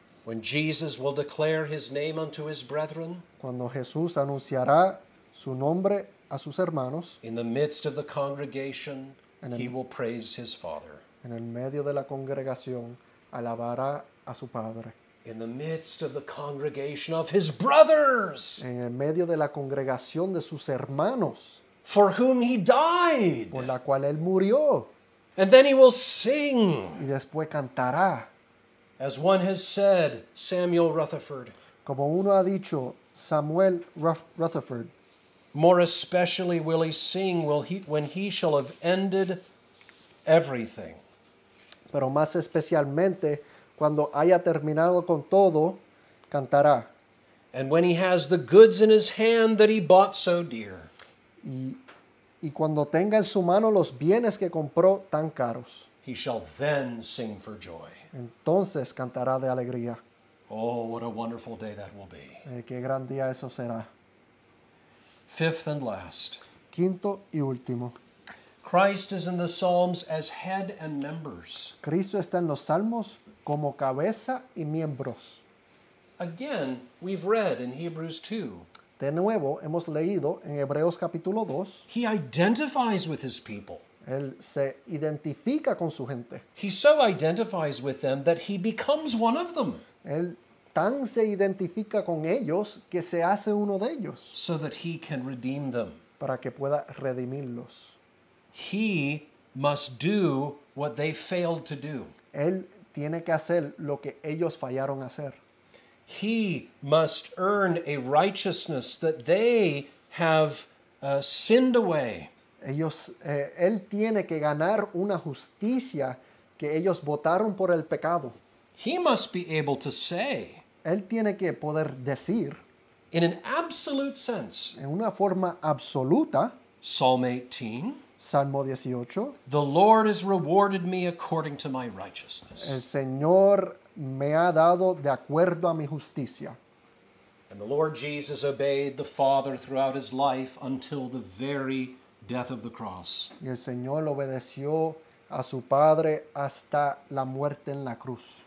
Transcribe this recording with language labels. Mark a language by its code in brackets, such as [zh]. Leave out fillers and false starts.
[en] When Jesus will declare his name unto his brethren. [es] Cuando Jesús anunciará su nombre a sus hermanos. [en] In the midst of the congregation, he will praise his Father. [es] En el medio de la congregación, alabará a su padre. [en] In the midst of the congregation of his brothers. [es] En el medio de la congregación de sus hermanos. [en] For whom he died. [es] Por la cual él murió. [en] And then he will sing. [es] Y después cantará. [en] As one has said, Samuel Rutherford. [es] Como uno ha dicho, Samuel Rutherford. [en] More especially will he sing when he shall have ended everything. [es] Pero más especialmente, cuando haya terminado con todo, cantará. [en] And when he has the goods in his hand that he bought so dear. [es] Y cuando tenga en su mano los bienes que compró tan caros. [en] He shall then sing for joy. [es] Entonces cantará de alegría. [en] Oh, what a wonderful day that will be. [es] Qué gran día eso será. [en] Fifth and last. [es] Quinto y último. [en] Christ is in the Psalms as head and members. [es] Cristo está en los Salmos como cabeza y miembros. [en] Again, we've read in Hebrews 2. [es] De nuevo, hemos leído en Hebreos capítulo 2. [en] He identifies with his people. [es] Él se identifica con su gente. [en] He so identifies with them that he becomes one of them. [es] Él tan se identifica con ellos que se hace uno de ellos. [en] So that he can redeem them. [es] Para que pueda redimirlos. [en] He must do what they failed to do. [es] Él tiene que hacer lo que ellos fallaron hacer. [en] He must earn a righteousness that they have sinned away. [es] Él tiene que ganar una justicia que ellos botaron por el pecado. [en] He must be able to say. [es] Él tiene que poder decir. [en] In an absolute sense. [es] En una forma absoluta. [en] Psalm 18. [es] Salmo 18. [en] The Lord has rewarded me according to my righteousness. [es] El Señor me ha dado de acuerdo a mi justicia. [en] And the Lord Jesus obeyed the Father throughout his life until the very death of the cross. [es] Y el Señor obedeció a su padre hasta la muerte en la cruz.